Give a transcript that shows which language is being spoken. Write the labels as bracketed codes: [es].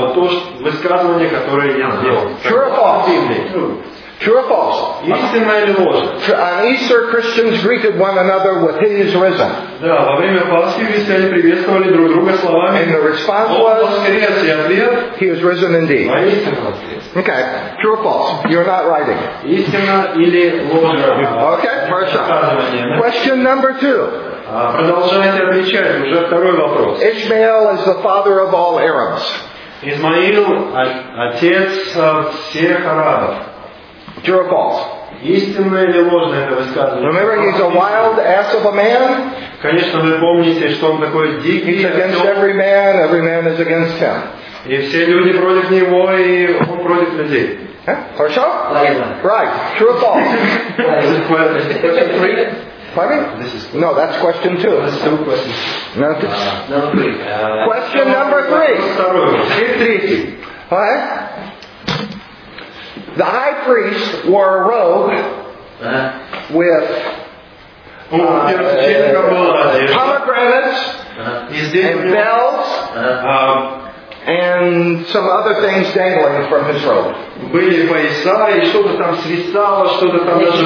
[ru] Вот то высказывание, которое я сделал. [en] True or false? True or false? [ru] Истинно или ложно? [en] On Easter, Christians greeted one another with "He is risen." [ru] Да, во время Пасхи христиане приветствовали друг друга словами. [en] And the response was, "He is risen indeed." [ru] Воистину воскрес. [en] Okay. True or false? You're not writing. [ru] Истинно или ложно? [en] Okay. [ru] Хорошо. [en] Question number two. [ru] Продолжайте отвечать. Уже второй вопрос. [en] Ishmael is the father of all Arabs. [ru] Исмаил отец всех арабов. [en] True or false? [ru] Истинно или ложно это высказывание? [en] Remember, he's a wild ass of a man. [ru] Конечно, вы помните, что он такой дикий. [en] He's against every man is against him. [ru] И все люди против него, и он против людей. Хорошо? [en] Right. True or false? Question three. Pardon? No, that's question two. That's two questions. No, three. Question number three. [ru] Второй. [en] Right. The high priest wore a robe with pomegranates and bells and some other things dangling from his robe. [ru] Были пояса, и что-то там свисало, что-то там даже